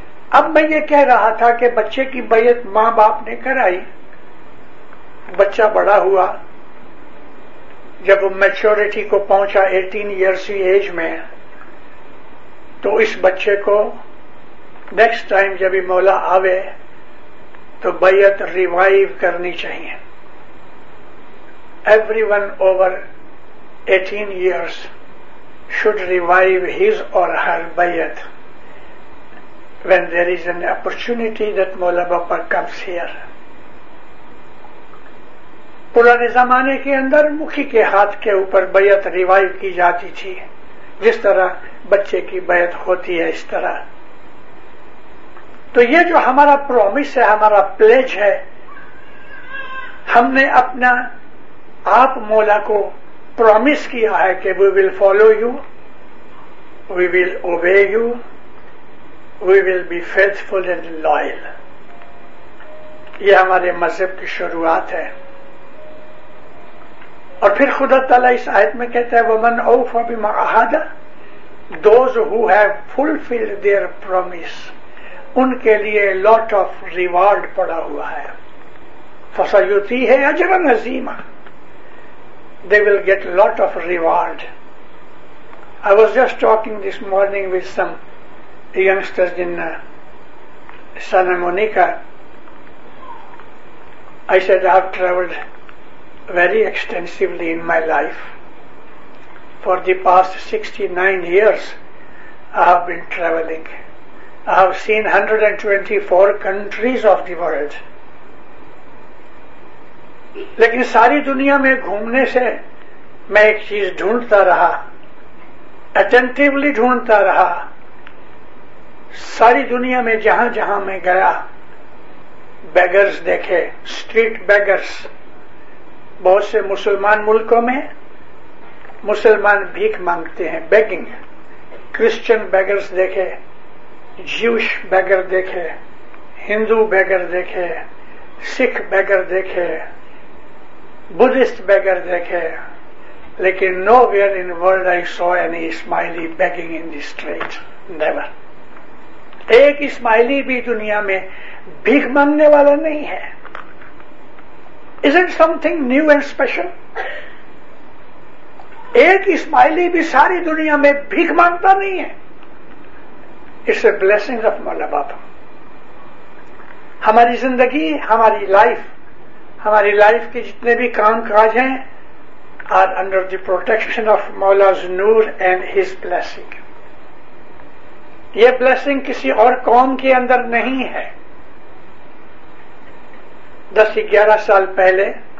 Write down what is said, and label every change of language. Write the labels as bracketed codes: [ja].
[ur] اب میں یہ کہہ رہا تھا کہ بچے کی بیعت ماں باپ نے کرائی, بچہ بڑا ہوا, جب میچورٹی کو پہنچا 18 ایئرس کی ایج میں, تو اس بچے کو نیکسٹ ٹائم جب بھی مولا آوے تو بیعت ریوائیو کرنی چاہیے. [en] Every one over 18 years should revive his or her bayat when there is an opportunity that Mola Bapa comes here. [ur] پرانے زمانے کے اندر مکھی کے ہاتھ کے اوپر بیعت ریوائیو کی جاتی تھی, جس طرح بچے کی بیعت ہوتی ہے اس طرح. تو یہ جو ہمارا پرومس ہے, ہمارا پلیج ہے, ہم نے اپنا آپ مولا کو پرومس کیا ہے کہ [en] We will follow you, we will obey you, we will be faithful and loyal. [ur] یہ ہمارے مذہب کی شروعات ہے. اور پھر خدا تعالیٰ اس آیت میں کہتا ہے [ar] وَمَنْ أَوْفَى بِمَا عَاهَدَ, [en] those who have fulfilled their promise, [ur] ان کے لیے [en] lot of reward [ur] پڑا ہوا ہے. [ar] فَسَيُوتِيهِ أَجْرًا عَظِيمًا, [en] they will get lot of reward. I was just talking this morning with some youngsters in Santa Monica. I said, I have traveled very extensively in my life. For the past 69 years I have been traveling. I have seen 124 countries of the world. [ur] لیکن ساری دنیا میں گھومنے سے میں ایک چیز ڈھونڈتا رہا, اٹینٹیولی ڈھونڈتا رہا. ساری دنیا میں جہاں جہاں میں گیا, بیگرز دیکھے, اسٹریٹ بیگرز. بہت سے مسلمان ملکوں میں مسلمان بھیک مانگتے ہیں, بیگنگ. کرسچن بیگرز دیکھے, جیوش بیگر دیکھے, ہندو بیگر دیکھے, سکھ بیگر دیکھے, بدھسٹ بیگر دیکھے, لیکن [en] Nowhere in world I saw any smiley begging in the street, never. [ur] ایک اسمائلی بھی دنیا میں بھیک مانگنے والا نہیں ہے. [en] Isn't something new and special? [ur] ایک اسمائلی بھی ساری دنیا میں بھیک مانگتا نہیں ہے. [en] It's a blessing of Mola Baba. [ur] ہماری زندگی, ہماری لائف, ہماری لائف کے جتنے بھی کام کاج ہیں [en] Are under the protection of Mola's نور and his blessing. [ur] یہ بلیسنگ کسی اور قوم کے اندر نہیں ہے. 10-11 سال پہلے